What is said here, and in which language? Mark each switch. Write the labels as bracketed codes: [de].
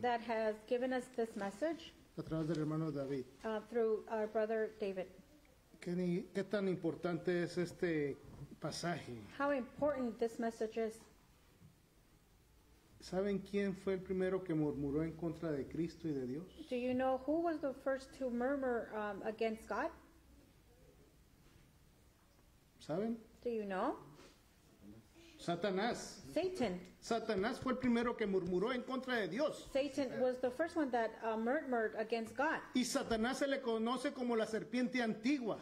[en] That has given us this message. [es] A través del hermano David. [en] Through our brother David. [es] ¿Qué tan importante es este pasaje? [en] How important this message is. [es] ¿Saben quién fue el primero que murmuró en contra de Cristo y de Dios? [en] Do you know who was the first to murmur against God? [es] ¿Saben? [en] Do you know? [es] Satanás. [en] Satan. [es] Satanás fue el primero que murmuró en contra de Dios. [en] Satan was the first one that murmured against God. [es] Y Satanás se le conoce como la serpiente antigua.